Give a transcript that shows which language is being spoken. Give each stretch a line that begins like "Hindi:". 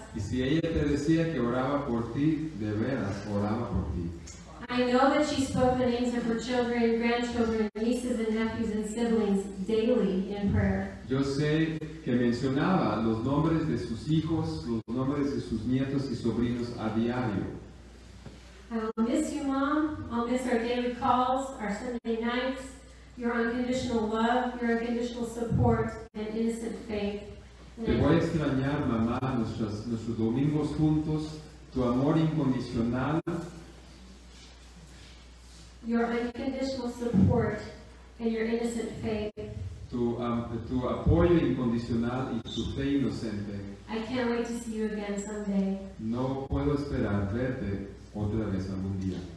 Spanish: Y si ella te decía que oraba por ti, de veras oraba por ti.
English: I know that she spoke the names of her children, grandchildren, nieces and nephews and siblings daily in prayer.
Spanish: Yo sé que mencionaba los nombres de sus hijos, los nombres de sus nietos y sobrinos a diario.
English: I will miss you, Mom. I'll miss our daily calls, our Sunday nights, your unconditional love, your unconditional support, and innocent faith.
Spanish: Te voy a extrañar, mamá, nuestros domingos juntos, tu amor incondicional.
English: Your unconditional support and your innocent faith.
Spanish: Tu apoyo incondicional y tu fe inocente.
English: I can't wait to see you again someday.
Spanish: No puedo esperar verte otra vez algún día.